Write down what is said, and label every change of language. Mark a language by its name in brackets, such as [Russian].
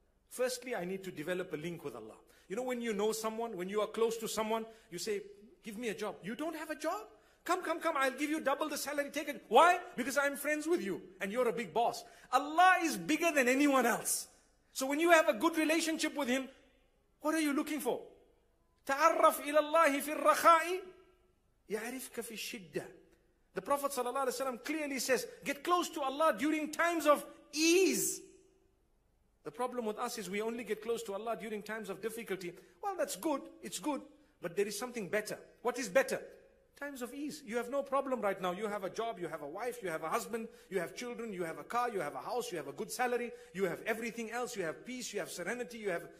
[English] Firstly, I need to develop a link with Allah. You know, when you know someone, when you are close to someone, you say, give me a job. You don't have a job? Come, I'll give you double the salary. Take it. Why? Because I'm friends with you and you're a big boss. Allah is bigger than anyone else. So when you have a good relationship with Him, what are you looking for? [Arabic] تعرف إلى الله في الرخاء يعرفك في الشدة. [English] The Prophet sallallahu alaihi wasallam clearly says, get close to Allah during times of ease. The problem with us is we only get close to Allah during times of difficulty. Well, that's good. It's good. But there is something better. What is better? Times of ease. You have no problem right now. You have a job, you have a wife, you have a husband, you have children, you have a car, you have a house, you have a good salary, you have everything else, you have peace, you have serenity, you have...